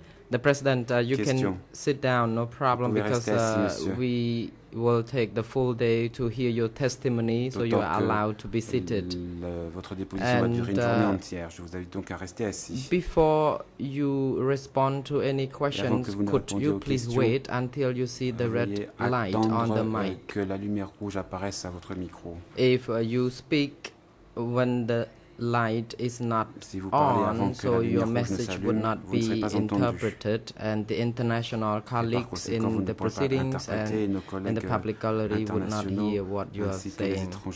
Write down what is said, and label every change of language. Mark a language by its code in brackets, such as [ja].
[en] The president, you can sit down, no problem, because we will take the full day to hear your testimony, so you are allowed to be seated. [fr] Votre déposition va durer une journée entière. Je vous invite donc à rester assis. [en] Before you respond to any questions, could you please wait until you see the red light on the mic? [fr] Que la lumière rouge apparaisse à votre micro. [en] If you speak when the light is not on, so your message would not be interpreted, and the international colleagues in the proceedings and in the public gallery would not hear what you are saying.